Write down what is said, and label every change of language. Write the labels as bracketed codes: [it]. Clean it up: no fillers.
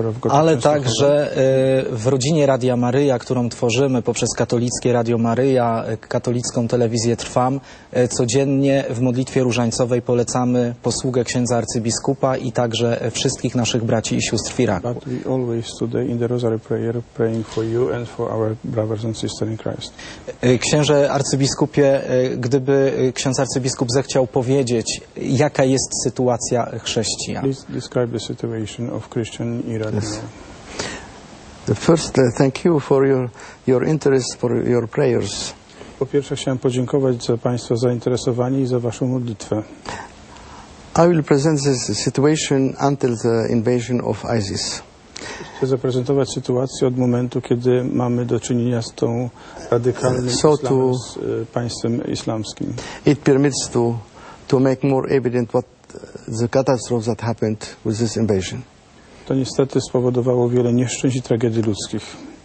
[pl] Ale także w rodzinie Radia Maryja, którą tworzymy poprzez katolickie Radio Maryja, katolicką telewizję Trwam, codziennie w modlitwie różańcowej polecamy posługę księdza arcybiskupa i także wszystkich naszych braci i sióstr w Iraku. [en] But we always today in the rosary prayer praying for you and for our brothers and sisters in Christ. [pl] Księże arcybiskupie, gdyby ksiądz arcybiskup zechciał powiedzieć, jaka jest sytuacja chrześcijan. [en] Please describe the situation of Christian Iran. Yes. The first, thank you for your interest, for your prayers. [pl] Po pierwsze, chciałem podziękować za Państwa zainteresowanie i za Waszą modlitwę. [en] I will present this situation until the invasion of ISIS. [pl] Chcę zaprezentować sytuację od momentu, kiedy mamy do czynienia z tą radykalnym państwem islamskim. [en] It permits to make more evident what the catastrophe that happened with this invasion. [pl] To niestety spowodowało wiele nieszczęść i tragedii ludzkich.